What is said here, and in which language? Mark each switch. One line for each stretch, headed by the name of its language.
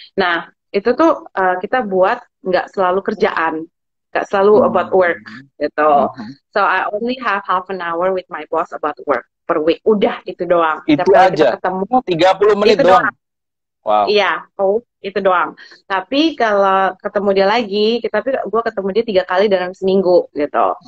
Indonesian: Nah, itu tuh kita buat enggak selalu kerjaan. Gak selalu
English: about work
Indonesian: gitu.
English: So I only have half an hour with my boss about work per week.
Indonesian: Udah itu doang. Itu Setelah aja. Kita ketemu 30 menit itu doang. Wow. Iya, itu doang. Tapi kalau ketemu dia lagi, tapi gua ketemu dia 3 kali dalam seminggu gitu.